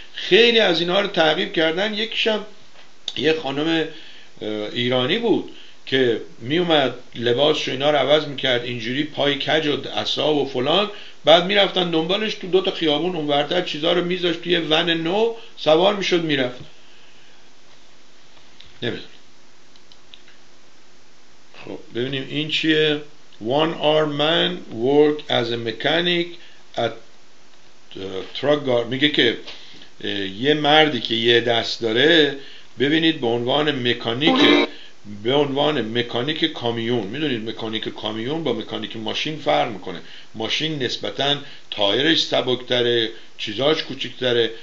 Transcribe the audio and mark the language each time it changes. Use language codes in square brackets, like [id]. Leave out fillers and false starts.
[fa] خیلی از اینا رو تعقیب کردن. یکیشم یه خانم ایرانی بود که میومد لباسشو اینا رو عوض میکرد اینجوری پای کج و عصا و فلان، بعد میرفتن دنبالش تو دوتا خیابون اونورتر، چیزها رو میذاشت توی ون نو سوار میشد میرفت. نمیدون خب ببینیم این چیه. [en] One arm man work as a mechanic at truck guard. [fa] میگه که یه مردی که یه دست داره، ببینید به عنوان مکانیک، به عنوان مکانیک کامیون، میدونید مکانیک کامیون با مکانیک ماشین فرق میکنه، ماشین نسبتا تایرش سبکتره، چیزاش کوچیکتره.